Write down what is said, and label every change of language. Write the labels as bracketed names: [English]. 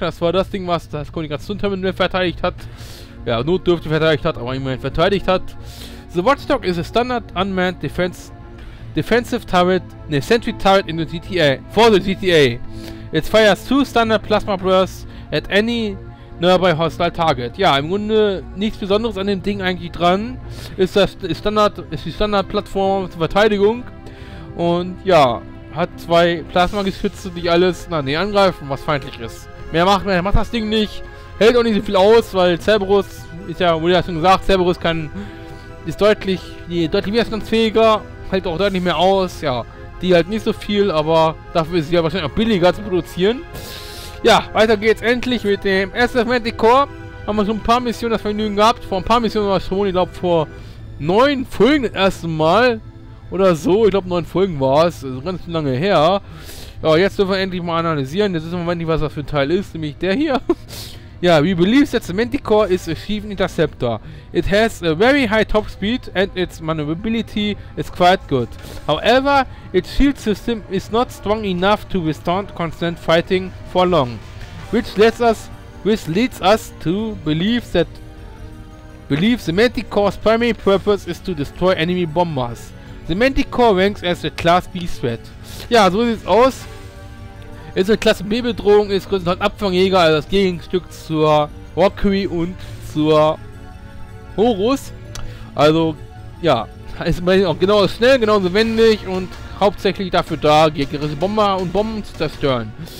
[German] Das war das Ding, was das Kommunikationsterminal verteidigt hat. Ja, Notdürfte verteidigt hat, aber immerhin verteidigt hat. [English] The Watchdog is a standard unmanned defensive turret, ne, sentry turret in the GTA, for the GTA. It fires 2 standard plasma bursts at any nearby hostile target. [German] Ja, im Grunde nichts Besonderes an dem Ding eigentlich dran. Ist die standard Plattform zur Verteidigung. Und ja, hat 2 Plasma Geschütze, die alles, angreifen, was feindlich ist. Mehr macht das Ding nicht. Hält auch nicht so viel aus, weil Cerberus, Cerberus ist deutlich widerstandsfähiger. Hält auch deutlich mehr aus, ja. Die halt nicht so viel, aber dafür ist sie ja wahrscheinlich auch billiger zu produzieren. Ja, weiter geht's endlich mit dem SF Manticore. Haben wir schon ein paar Missionen das Vergnügen gehabt. Vor ein paar Missionen war es schon, ich glaube vor 9 Folgen das erste Mal. Oder so, ich glaube 9 Folgen war es. Also ganz lange her. Ja, jetzt dürfen wir endlich mal analysieren. Jetzt wissen wir endlich, was das für ein Teil ist, nämlich der hier. [English] Ja, we believe that the Manticore is a chief interceptor. It has a very high top speed and its maneuverability is quite good. However, its shield system is not strong enough to withstand constant fighting for long. which leads us to believe the Manticore's primary purpose is to destroy enemy bombers. The Manticore ranks as a Class B threat. [German] Ja, so sieht's aus. Ist eine Klasse B Bedrohung, ist größtenteils halt Abfangjäger, also das Gegenstück zur Rockery und zur Horus. Also, ja, ist man auch genauso schnell, genauso wendig und hauptsächlich dafür da, gegnerische Bomber und Bomben zu zerstören.